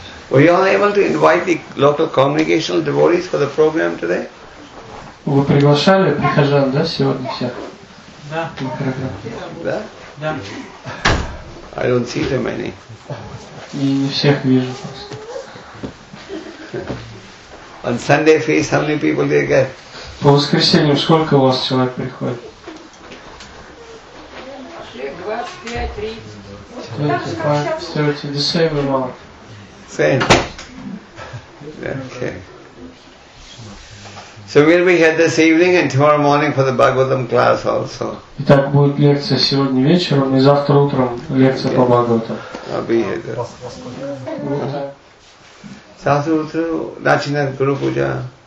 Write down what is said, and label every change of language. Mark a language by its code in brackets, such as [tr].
[en] Were you all able to invite the local congregational devotees for the program today? [ru] Вы приглашали прихожан, да, сегодня всех? Да. Да? Да. [en] I don't see them any. [ru] И не всех вижу просто. [en] On Sunday feast, how many people do you get? [ru] По воскресеньям сколько у вас человек приходит? 25-30. [en] The same amount. Same. Okay. So we'll be here this evening and tomorrow morning for the Bhagavatam class also. [ru] Итак, будет лекция сегодня вечером и завтра утром лекция по Бхагаватам. [en] I'll be here. Then. [ru] Завтра утром начинает Гуру Пуджа.